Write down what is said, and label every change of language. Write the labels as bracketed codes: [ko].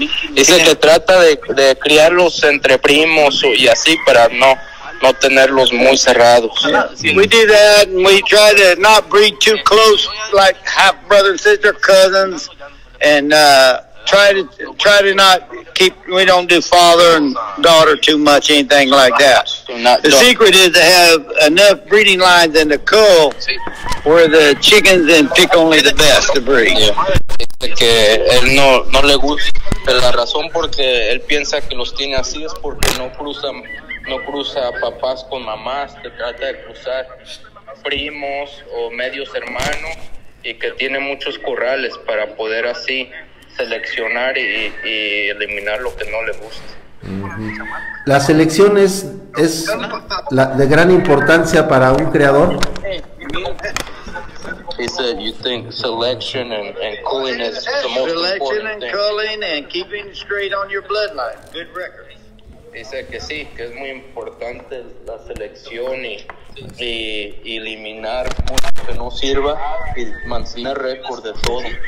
[es] Dice que trata de criarlos entre primos y así para no tenerlos muy cerrados. [en] We did that and we tried to not breed too close, like half brother, sister, cousins, and try to not keep, we don't do father and daughter too much, anything like that. The secret is to have enough breeding lines in the cull where the chickens then pick only the best to breed. Yeah. [es] Que él no le gusta, la razón porque él piensa que los tiene así es porque no cruza papás con mamás, te trata de cruzar primos o medios hermanos, y que tiene muchos corrales para poder así seleccionar y eliminar lo que no le gusta. La selección es la de gran importancia para un creador. [en] He said, "You think selection and culling is the most selection important thing." Selection and culling and keeping straight on your bloodline. Good record. He said, [es] "Que sí, que es muy importante la selección y eliminar mucho que no sirva y mantener récord de todo."